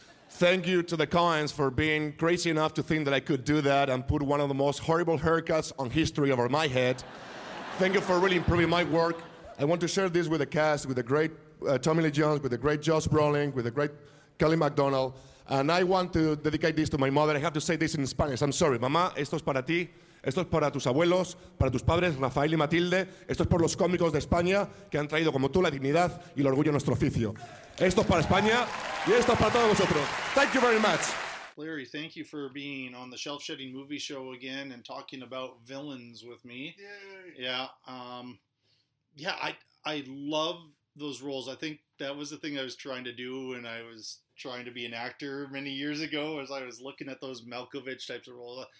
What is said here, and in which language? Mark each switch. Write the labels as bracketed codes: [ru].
[en] Thank you to the Coens for being crazy enough to think that I could do that and put one of the most horrible haircuts on history over my head. Thank you for really improving my work. I want to share this with the cast, with the great Tommy Lee Jones, with the great Josh Brolin, with the great Kelly MacDonald. And I want to dedicate this to my mother. I have to say this in Spanish. I'm sorry. [es] Mamá, esto es para ti. Esto es para tus abuelos, para tus padres, Rafael y Matilde. Esto es por los cómicos de España que han traído como tú la dignidad y el orgullo a nuestro oficio. Esto es para España y esto es para todos vosotros. [en] Thank you very much. Larry, thank you for being on the Shelf Shedding Movie Show again and talking about villains with me. Yay. Yeah. Yeah, I love those roles. I think that was the thing I was trying to do when I was trying to be an actor many years ago, as I was looking at those Malkovich types of roles.